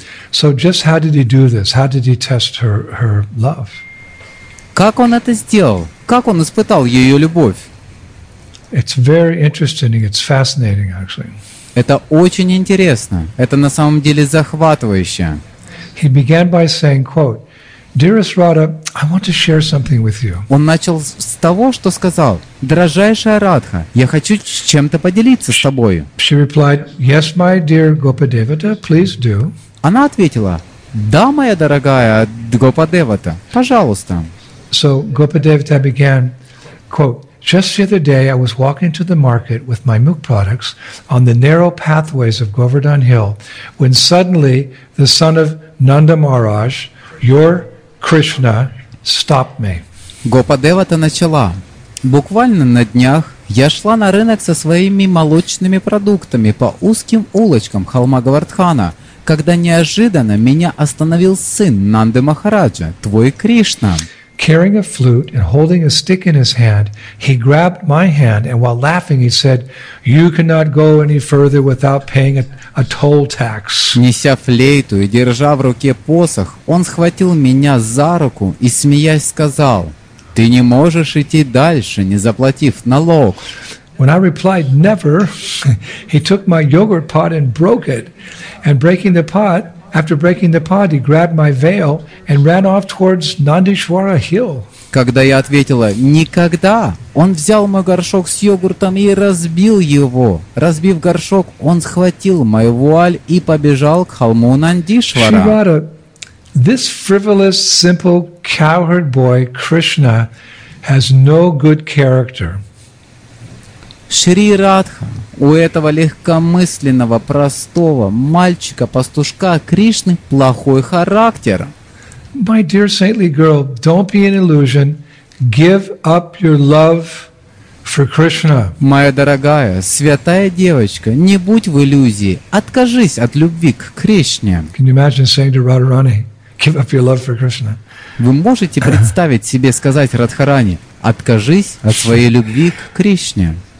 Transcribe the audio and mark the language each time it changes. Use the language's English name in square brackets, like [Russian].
[English] So just how did he do this? How did he test her love? [Russian] Как он это сделал? Как он испытал ее любовь? [English] It's very interesting. It's fascinating, actually. [Russian] Это очень интересно. Это на самом деле захватывающе. [English] He began by saying, quote, "Dearest Radha, I want to share something with you." [Russian] Он начал с того, что сказал: "Дорожайшая Радха, я хочу с чем-то поделиться с тобой." [English] She replied, "Yes, my dear Gopadevata, please do." [Russian] Она ответила: "Да, моя дорогая Гопадевата, пожалуйста." [English] So Gopadevata began, quote, "Just the other day, I was walking to the market with my milk products on the narrow pathways of Govardhan Hill, when suddenly the son of Nanda Maharaj, your Krishna, stop me." [Russian] Гопадевата начала. Буквально на днях я шла на рынок со своими молочными продуктами по узким улочкам холма Говардхана, когда неожиданно меня остановил сын Нанды Махараджа, твой Кришна. [English] Carrying a flute and holding a stick in his hand, he grabbed my hand and while laughing he said, "You cannot go any further without paying a toll tax." [Russian] Неся флейту и держа в руке посох, он схватил меня за руку и, смеясь, сказал: "Ты не можешь идти дальше, не заплатив налог." [English] When I replied, "Never," he took my yogurt pot and broke it. And breaking the pot, after breaking the pot, he grabbed my veil and ran off towards Nandishwara Hill. [Russian] Когда я ответила "никогда", он взял мой горшок с йогуртом и разбил его. Разбив горшок, он схватил мою вуаль и побежал к холму Нандишвара. [English] Shri Radha, this frivolous, simple cowherd boy Krishna has no good character. [Russian] Шри Радха, у этого легкомысленного, простого мальчика-пастушка Кришны плохой характер. [English] My dear saintly girl, don't be an illusion. Give up your love for Krishna. [Russian] Моя дорогая, святая девочка, не будь в иллюзии. Откажись от любви к Кришне. [English] Can you imagine saying to Radharani, "Give up your love for Krishna"? [Russian] Вы можете представить себе сказать Радхарани: "Откажись от своей любви к Кришне"?